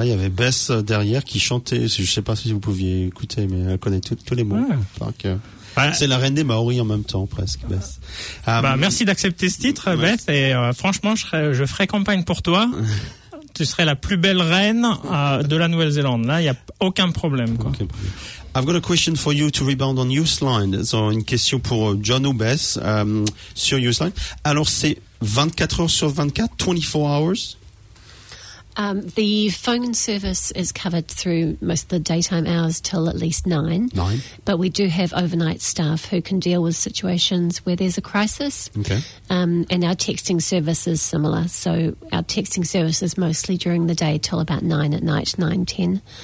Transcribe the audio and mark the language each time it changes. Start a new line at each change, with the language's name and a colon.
French: Bess derrière qui chantait, je ne sais pas si vous pouviez écouter, mais elle connaît tous les mots. Ouais. Donc, c'est la reine des Maoris en même temps, presque, Bess. Merci d'accepter ce titre, ouais. Bess, et franchement, je ferai campagne pour toi. Tu serais la plus belle reine de la Nouvelle-Zélande. Là, il n'y a aucun problème. Quoi.
English: Okay. I've got a question for you to rebound on Youthline.
French: So, une question pour John ou Bess sur Youthline. Alors, c'est 24 heures sur 24,
English: 24 hours. The phone service is covered through most of the daytime hours till at least nine. But we do have overnight staff who can deal with situations where there's a crisis. Okay. And our texting service is similar. So our texting service is mostly during the day till about nine at night, 9:10.